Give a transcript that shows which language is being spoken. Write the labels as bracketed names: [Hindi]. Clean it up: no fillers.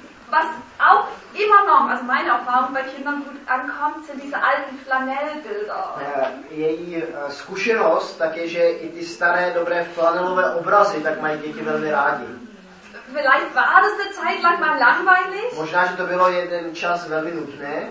[German] Was auch immer noch, also meine Erfahrung bei Kindern gut ankommt, sind diese alten Flanellbilder. [Czech] Její zkušenost tak je, že i ty staré, dobré flanelové obrazy tak mají děti velmi rádi. [German] Vielleicht war das eine Zeit lang mal langweilig. [Czech] Možná, že to bylo jeden čas velmi nutné.